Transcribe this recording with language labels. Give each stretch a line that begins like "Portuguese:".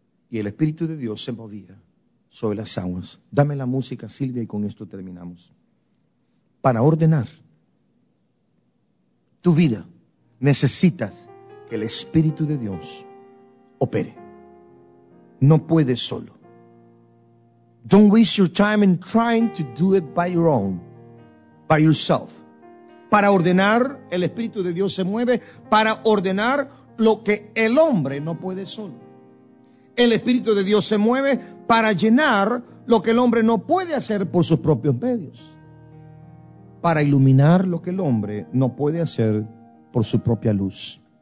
Spanish: Y el Espíritu de Dios se movía sobre las aguas. Dame la música, Silvia, y con esto terminamos. Para ordenar tu vida, necesitas que el Espíritu de Dios opere. No puedes solo.
English: Don't waste your time in trying to do it by your own, by yourself.
Spanish: Para ordenar, el Espíritu de Dios se mueve para ordenar lo que el hombre no puede solo. El Espíritu de Dios se mueve para llenar lo que el hombre no puede hacer por sus propios medios. Para iluminar lo que el hombre no puede hacer por su propia luz.